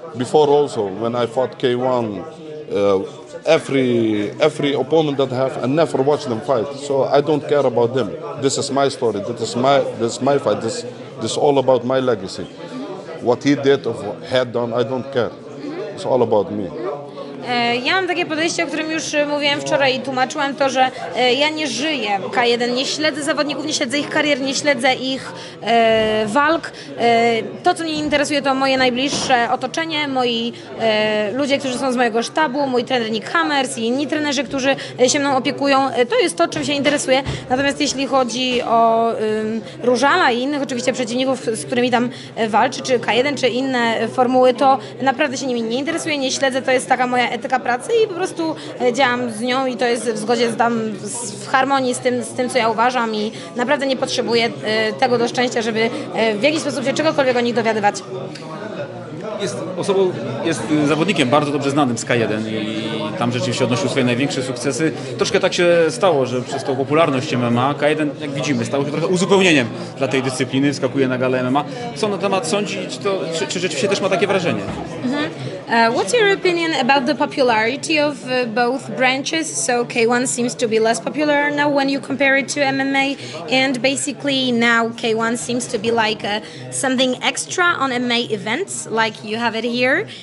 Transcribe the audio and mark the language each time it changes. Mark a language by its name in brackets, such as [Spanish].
[English] Before also, when I fought K1, every opponent that I have, I never watched them fight. So I don't care about them. This is my story. This is my fight. This is all about my legacy. What he did or had done, I don't care. It's all about me. [Polish] Ja mam takie podejście, o którym już mówiłem wczoraj i tłumaczyłem to, że ja nie żyję K1, nie śledzę zawodników, nie śledzę ich karier, nie śledzę ich walk. To, co mnie interesuje, to moje najbliższe otoczenie, moi ludzie, którzy są z mojego sztabu, mój trener Nick Hammers i inni trenerzy, którzy się mną opiekują. To jest to, czym się interesuję. Natomiast jeśli chodzi o Różala i innych oczywiście przeciwników, z którymi tam walczy, czy K1, czy inne formuły, to naprawdę się nimi nie interesuję, nie śledzę. To jest taka moja etyka pracy i po prostu działam z nią i to jest w zgodzie w harmonii z tym, co ja uważam i naprawdę nie potrzebuję tego do szczęścia, żeby w jakiś sposób się czegokolwiek o nich dowiadywać. jest osobą, jest zawodnikiem bardzo dobrze znanym z K1 i tam rzeczywiście odnosił swoje największe sukcesy. Troszkę tak się stało, że przez tą popularność MMA K1, jak widzimy, stało się trochę uzupełnieniem dla tej dyscypliny, wskakuje na galę MMA. Co na temat sądzi, czy rzeczywiście też ma takie wrażenie? [English] What's your opinion about the popularity of both branches? So K1 seems to be less popular now when you compare it to MMA, and basically now K1 seems to be like something extra on MMA events, like you have it here.